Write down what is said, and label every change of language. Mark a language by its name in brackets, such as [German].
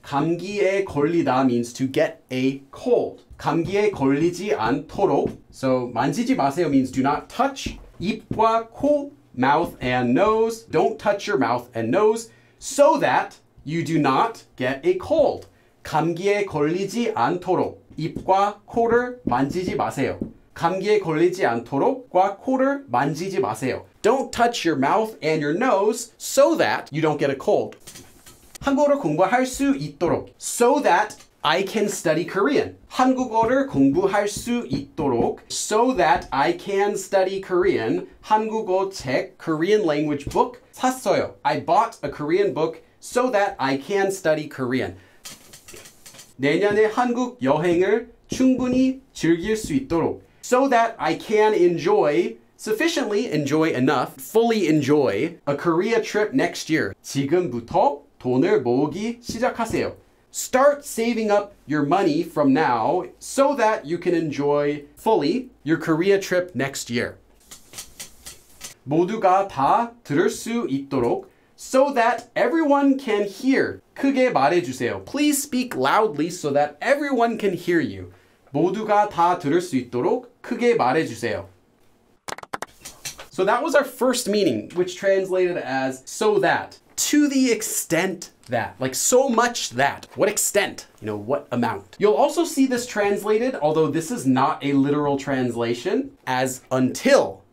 [Korean] 감기에 걸리다 [English] means to get a cold. [Korean] 감기에 걸리지 않도록. [English] So [Korean] 만지지 마세요 [English] means do not touch. [Korean] 입과 코, [English] mouth and nose. Don't touch your mouth and nose. So that you do not get a cold. [Korean] 감기에 걸리지 않도록. 입과 코를 만지지 마세요. 감기에 걸리지 않도록과 코를 만지지 마세요. [English] Don't touch your mouth and your nose so that you don't get a cold. [Korean] 한국어를 공부할 수 있도록. [English] So that I can study Korean. [Korean] 한국어를 공부할 수 있도록. [English] So that I can study Korean. [Korean] 한국어 책, [English] Korean language book, [Korean] 샀어요. [English] I bought a Korean book so that I can study Korean. [Korean] 내년에 한국 여행을 충분히 즐길 수 있도록. [English] So that I can enjoy, sufficiently enjoy enough, fully enjoy a Korea trip next year. [Korean] 지금부터 돈을 모으기 시작하세요. [English] Start saving up your money from now so that you can enjoy fully your Korea trip next year. [Korean] 모두가 다 들을 수 있도록 [English] so that everyone can hear. [Korean] 크게 말해주세요. [English] Please speak loudly so that everyone can hear you. [Korean] 모두가 다 들을 수 있도록 크게 말해주세요. [English] So that was our first meaning, which translated as so that. To the extent that. Like so much that. What extent? You know, what amount? You'll also see this translated, although this is not a literal translation, as until.